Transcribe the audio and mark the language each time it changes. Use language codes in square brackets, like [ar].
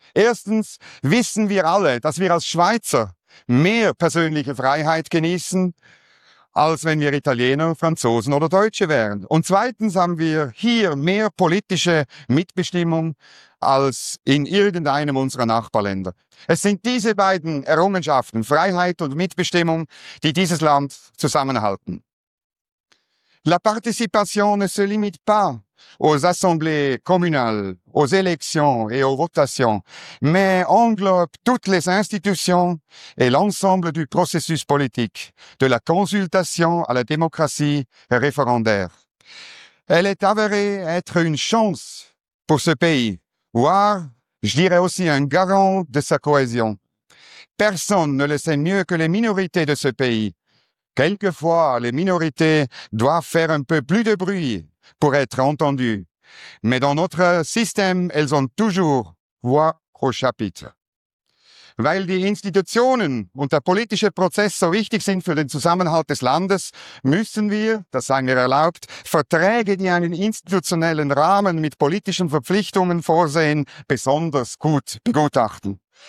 [de] Erstens wissen wir alle, dass wir als Schweizer mehr persönliche Freiheit genießen, als wenn wir Italiener, Franzosen oder Deutsche wären. Und zweitens haben wir hier mehr politische Mitbestimmung als in irgendeinem unserer Nachbarländer. Es sind diese beiden Errungenschaften, Freiheit und Mitbestimmung, die dieses Land zusammenhalten. [fr] La participation ne se limite pas aux assemblées communales, aux élections et aux votations, mais englobe toutes les institutions et l'ensemble du processus politique, de la consultation à la démocratie référendaire. Elle est avérée être une chance pour ce pays, voire je dirais aussi un garant de sa cohésion. Personne ne le sait mieux que les minorités de ce pays. Quelquefois, les minorités doivent faire un peu plus de bruit pour être entendues. Mais dans notre système, elles ont toujours voix au chapitre. [de] Weil die Institutionen und der politische Prozess so wichtig sind für den Zusammenhalt des Landes, müssen wir, das sei mir erlaubt, Verträge, die einen institutionellen Rahmen mit politischen Verpflichtungen vorsehen, besonders gut begutachten.